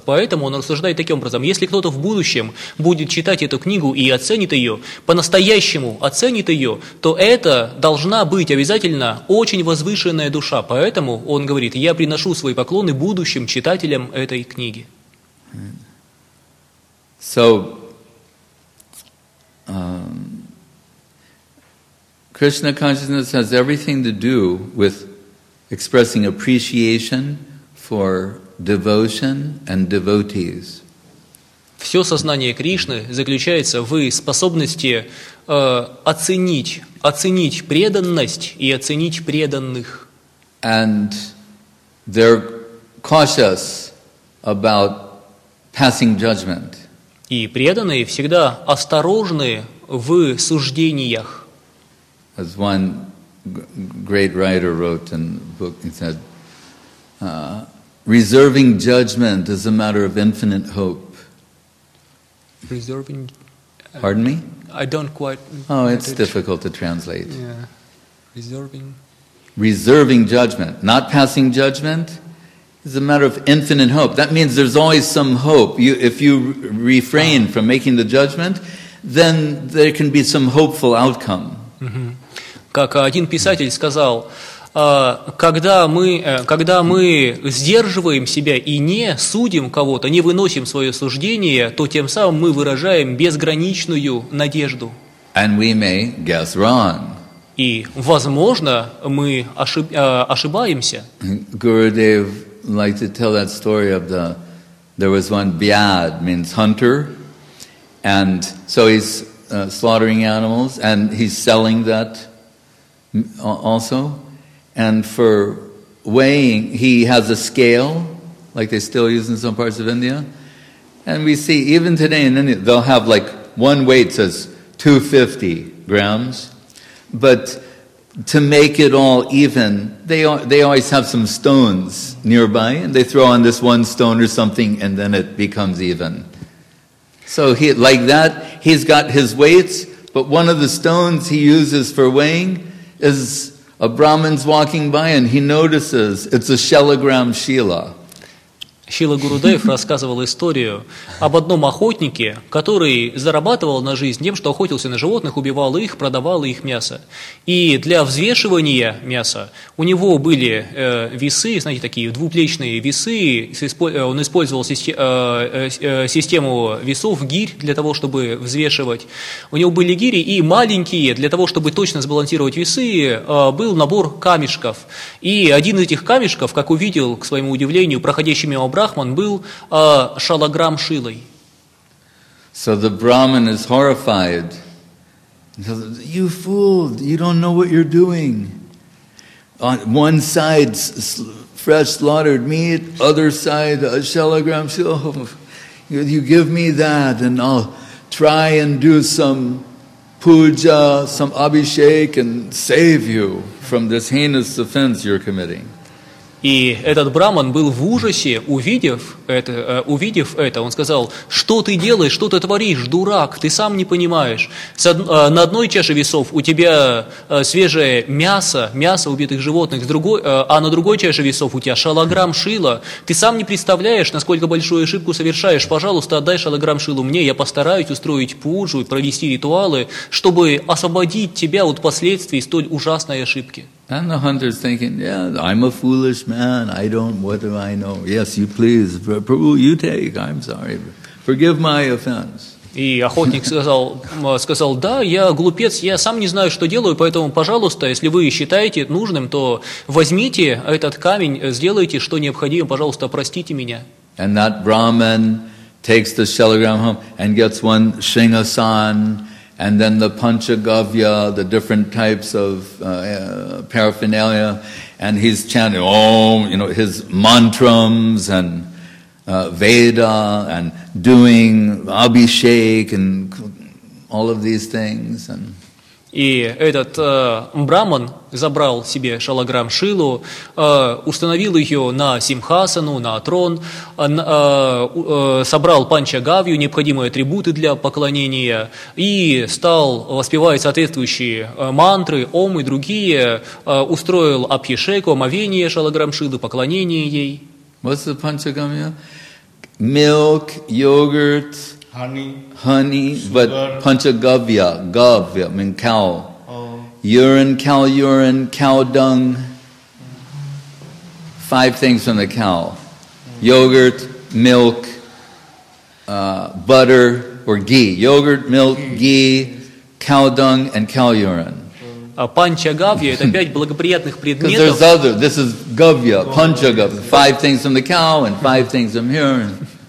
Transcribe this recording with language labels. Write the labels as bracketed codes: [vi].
[ru] Поэтому он рассуждает таким образом. Если кто-то в будущем будет читать эту книгу и оценит ее, по-настоящему оценит ее, то это должна быть обязательно очень возвышенная душа. Поэтому он говорит, я приношу свои поклоны будущим читателям этой книги. [en] So, Krishna consciousness has everything to do with expressing appreciation for devotion and devotees. [ru] Все сознание Кришны заключается в способности оценить преданность и оценить преданных. [en] And they're cautious about passing judgment. [ru] И преданные всегда осторожны в суждениях. [en] As one great writer wrote in a book, he said, reserving judgment is a matter of infinite hope. Reserving? Pardon me? I don't quite... Oh, it's difficult to translate. Yeah. Reserving? Reserving judgment, not passing judgment. It's a matter of infinite hope. That means there's always some hope. You, if you refrain from making the judgment, then there can be some hopeful outcome. [ru] Как один писатель сказал, когда мы сдерживаем себя и не судим кого-то, не выносим свое суждение, то тем самым мы выражаем безграничную надежду. [en] And we may guess wrong. [ru] И, возможно, мы ошибаемся. [en] Gurudev like to tell that story of the, there was one, Byad means hunter, and so he's slaughtering animals, and he's selling that also, and for weighing, he has a scale, like they still use in some parts of India, and we see, even today in India, they'll have like, one weight says 250 grams, but to make it all even, they always have some stones nearby, and they throw on this one stone or something, and then it becomes even. So he, like that, he's got his weights, but one of the stones he uses for weighing is a Brahmin's walking by, and he notices it's a shilagram shila. [ru] Шрила Гурудев рассказывал историю об одном охотнике, который зарабатывал на жизнь тем, что охотился на животных, убивал их, продавал их мясо. И для взвешивания мяса у него были весы, знаете, такие двуплечные весы. Он использовал систему весов, гирь для того, чтобы взвешивать. У него были гири и маленькие, для того, чтобы точно сбалансировать весы, был набор камешков. И один из этих камешков, как увидел, к своему удивлению, проходящий мимо Брахман был шалаграм шилой. [en] So the Brahmin is horrified. You fooled! You don't know what you're doing. On one side, fresh slaughtered meat; other side, a shalagram shila. You give me that, and I'll try and do some puja, some abhishek, and save you from this heinous offense you're committing. [ru] И этот браман был в ужасе, увидев это, он сказал: «Что ты делаешь, что ты творишь, дурак, ты сам не понимаешь. На одной чаше весов у тебя свежее мясо, мясо убитых животных, а на другой чаше весов у тебя шалограмм шила. Ты сам не представляешь, насколько большую ошибку совершаешь. Пожалуйста, отдай шалограмм шилу мне, я постараюсь устроить пуджу, провести ритуалы, чтобы освободить тебя от последствий столь ужасной ошибки». [en] And the hunter's thinking, yeah, I'm a foolish man, I don't, what do I know? Yes, you please, Prabhu, you take, I'm sorry, forgive my offense. [ru] И охотник сказал, да, я глупец, я сам не знаю, что делаю, поэтому, пожалуйста, если вы считаете нужным, то возьмите этот камень, сделайте, что необходимо, пожалуйста, простите меня. [en] And that Brahman takes the shalagram home and gets one shingasan. And then the panchagavya, the different types of paraphernalia, and he's chanting, oh, you know, his mantras and Veda and doing abhishek and all of these things. And [ru] этот браман забрал себе шалограмм шилу, установил ее на симхасану, на трон, собрал панчагавью, необходимые атрибуты для поклонения, и стал воспевать соответствующие мантры, ом и другие, устроил абхишеку, омовение шалограмм шилы, поклонение ей. [en] What's the panchagavya? Milk, yogurt, honey, sugar. But panchagavya, gavya, I mean cow. Urine, cow dung, five things from the cow, yogurt, milk, butter, or ghee. Yogurt, milk, ghee, cow dung, and cow urine. [ru] Панчагавья – это пять благоприятных предметов. [en] Because there's other, this is гавья, панчагавья, five things from the cow and five things from urine.